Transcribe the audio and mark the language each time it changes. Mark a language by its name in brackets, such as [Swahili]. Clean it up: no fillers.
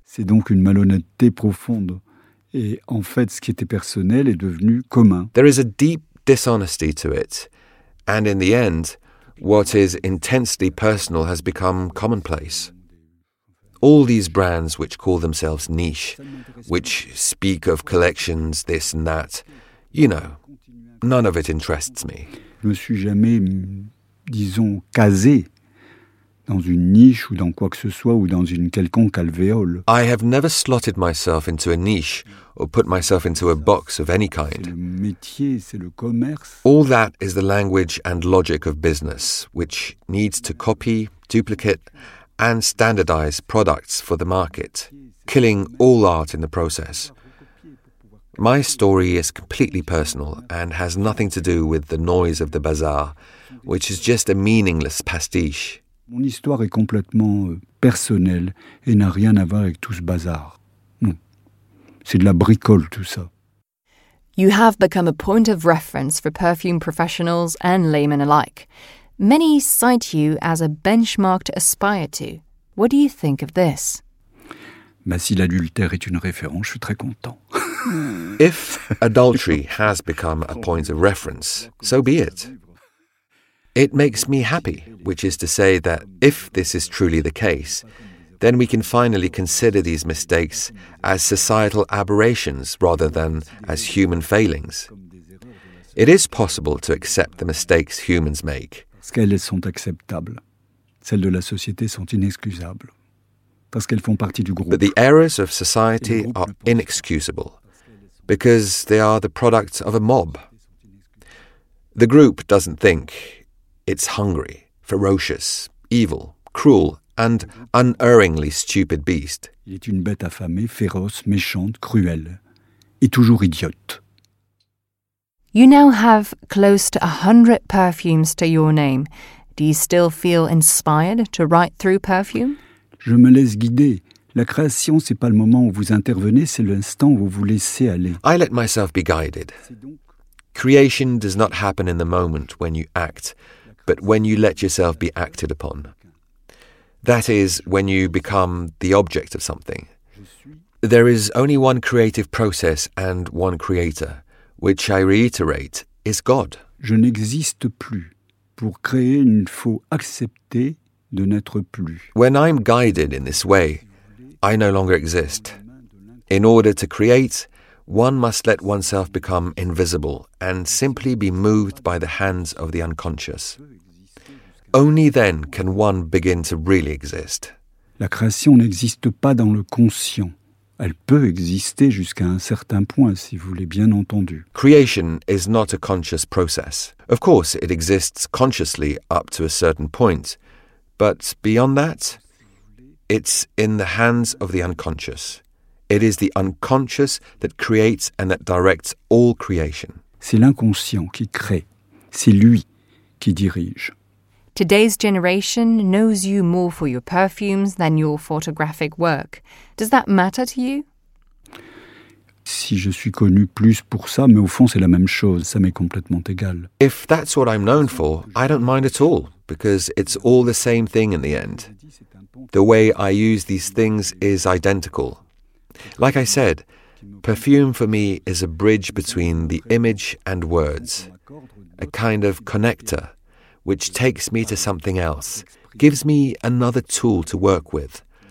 [French] C'est donc une malhonnêteté profonde. Et en fait, ce qui était personnel est devenu commun. [English] There is a deep dishonesty to it. And in the end, what is intensely personal has become commonplace. All these brands which call themselves niche, which speak of collections, this and that, you know, none of it interests me. [French] Je ne me suis jamais, disons, casé dans une niche ou dans quoi que ce soit ou dans une quelconque alvéole. [English] I have never slotted myself into a niche or put myself into a box of any kind. [French] C'est le métier, c'est le commerce. [English] All that is the language and logic of business, which needs to copy, duplicate, and standardize products for the market, killing all art in the process. My story is completely personal and has nothing to do with the noise of the bazaar, which is just a meaningless pastiche. [French] Mon histoire est complètement personnelle et n'a rien à voir avec tout ce bazar. Non. C'est de la bricole, tout ça. [English] You have become a point of reference for perfume professionals and laymen alike. Many cite you as a benchmark to aspire to. What do you think of this? [French] Bah, si l'adultère est une référence, je suis très content. [English] If adultery has become a point of reference, so be it. It makes me happy, which is to say that if this is truly the case, then we can finally consider these mistakes as societal aberrations rather than as human failings. It is possible to accept the mistakes humans make. [French] Parce qu'elles sont acceptables. Celles de la société sont inexcusables. Parce qu'elles font partie du groupe. [English] But the errors of society are inexcusable. Because they are the product of a mob. The group doesn't think. It's hungry, ferocious, evil, cruel, and unerringly stupid beast. [French] Il est une bête affamée, féroce, méchante, cruelle, et toujours idiote. [English] You now have close to 100 perfumes to your name. Do you still feel inspired to write through perfume? [French] Je me laisse guider. La création, c'est pas le moment où vous intervenez, c'est l'instant où vous laissez aller. [English] I let myself be guided. Creation does not happen in the moment when you act, but when you let yourself be acted upon. That is, when you become the object of something. There is only one creative process and one creator, which I reiterate, is God. [French] Je n'existe plus. Pour créer, il faut accepter de n'être plus. [English] When I'm guided in this way, I no longer exist. In order to create, one must let oneself become invisible and simply be moved by the hands of the unconscious. Only then can one begin to really exist. [French] La création n'existe pas dans le conscient. Elle peut exister jusqu'à un certain point, si vous l'avez bien entendu. [English] Creation is not a conscious process. Of course, it exists consciously up to a certain point. But beyond that, it's in the hands of the unconscious. It is the unconscious that creates and that directs all creation. [French] C'est l'inconscient qui crée. C'est lui qui dirige. [English] Today's generation knows you more for your perfumes than your photographic work. Does that matter to you? [French] Si je suis connu plus pour ça, mais au fond c'est la même chose, ça m'est complètement égal. [English] If that's what I'm known for, I don't mind at all, because it's all the same thing in the end. The way I use these things is identical. Like I said, perfume for me is a bridge between the image and words, a kind of connector, which takes me to something else, gives me another tool to work with.